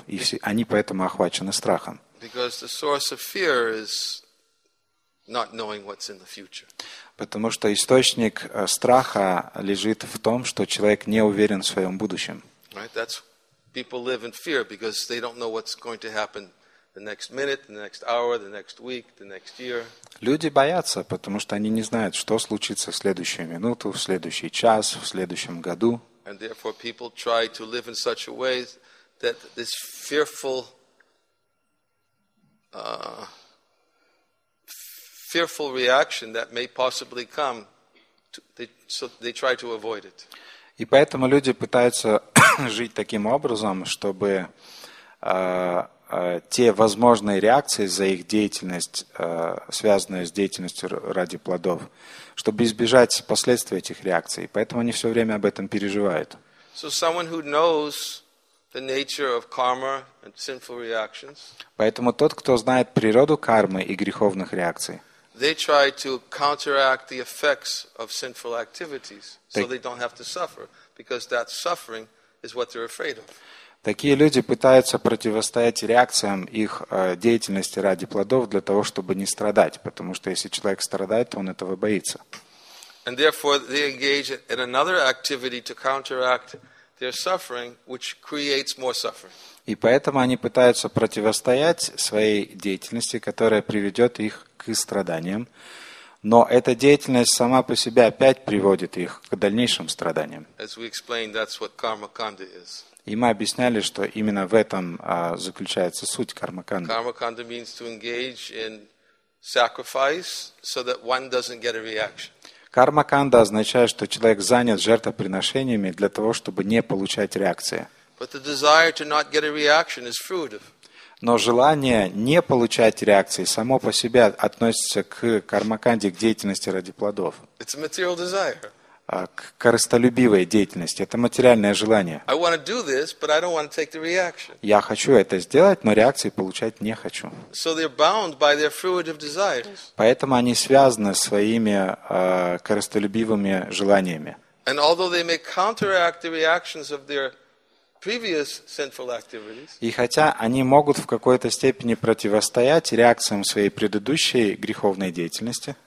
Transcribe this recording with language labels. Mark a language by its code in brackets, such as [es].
[ru] И они поэтому охвачены страхом. [en] Because the source of fear is not knowing what's in the future. [ru] Потому что источник страха лежит в том, что человек не уверен в своем будущем. [en] Right? That's People live in fear because they don't know what's going to happen the next minute, the next hour, the next week, the next year. [ru] Люди боятся, потому что они не знают, что случится в следующую минуту, в следующий час, в следующем году. [en] And therefore people try to live in such a way that this fearful fearful reaction that may possibly come so they try to avoid it. [ru] И поэтому люди пытаются жить таким образом, чтобы те возможные реакции за их деятельность, связанные с деятельностью ради плодов, чтобы избежать последствий этих реакций. Поэтому они все время об этом переживают. [en] So someone who knows the nature of karma and sinful reactions, [ru] поэтому тот, кто знает природу кармы и греховных реакций, [en] they try to counteract the effects of sinful activities so they don't have to suffer, because that suffering is what they're afraid of. [ru] Такие люди пытаются противостоять реакциям их деятельности ради плодов для того, чтобы не страдать, потому что если человек страдает, то он этого боится. [en] And therefore they engage in another activity to counteract their suffering, which creates more suffering. [ru] И поэтому они пытаются противостоять своей деятельности, которая приведет их к страданиям. Но эта деятельность сама по себе опять приводит их к дальнейшим страданиям. [en] As we explained, that's what karmakanda is. [ru] И мы объясняли, что именно в этом заключается суть кармаканды. [en] Karmakanda means to engage in sacrifice so that one doesn't get a reaction. [ru] Кармаканда означает, что человек занят жертвоприношениями для того, чтобы не получать реакции. [en] But the desire to not get a reaction is fruit of. [ru] Но желание не получать реакции само по себе относится к кармаканде, к деятельности ради плодов. [en] It's a material desire. [ru] К корыстолюбивой деятельности. Это материальное желание. [en] I want to do this, but I don't want to take the reaction. [ru] Я хочу это сделать, но реакции получать не хочу. [en] So they're bound by their fruitive desires. [ru] Поэтому они связаны своими корыстолюбивыми желаниями. [en] And although they may counteract the reactions of their previous sinful activities. [ru] И хотя они могут в какой-то степени противостоять реакциям своей предыдущей греховной деятельности,